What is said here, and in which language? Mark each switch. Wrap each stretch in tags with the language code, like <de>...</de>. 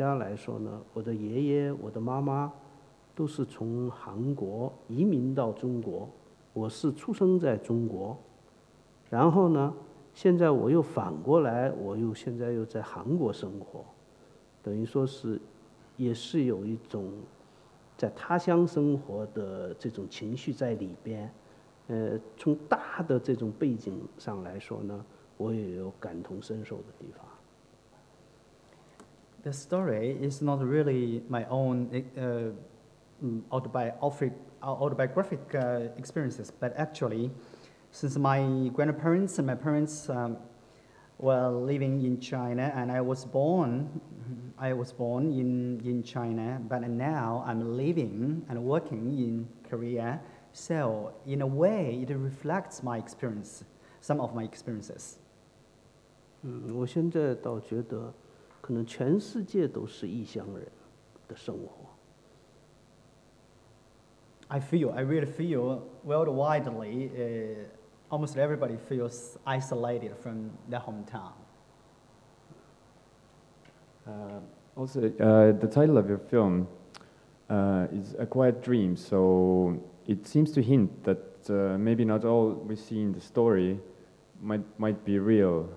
<zh>背景在里头，这是否说明这里面有您个人自传式的经历？您对此做什么样的评论？就是说，其实我跟这个这里边的人物的生活方式其实是不是很一样，但是说什么呢？从背景上来说呢，从我们家来说呢，我的爷爷、我的妈妈。都是从韩国移民到中国，我是出生在中国，然后呢，现在我又反过来，我又现在又在韩国生活，等于说是，也是有一种在他乡生活的这种情绪在里边，从大的这种背景上来说呢，我也有感同身受的地方。</zh> <en>The story is not really my own autobiographic experiences, but actually, since my grandparents and my parents were living in China, and I was born in China, but now I'm living and working in Korea. So in a way, it reflects my experience, some of my experiences.</en> <zh>我现在倒觉得。可能全世界都是异乡人的生活。</zh> <en>I really feel worldwide, almost everybody feels isolated from their hometown. Also, the title of your film is A Quiet Dream, so it seems to hint that maybe not all we see in the story might be real.</en>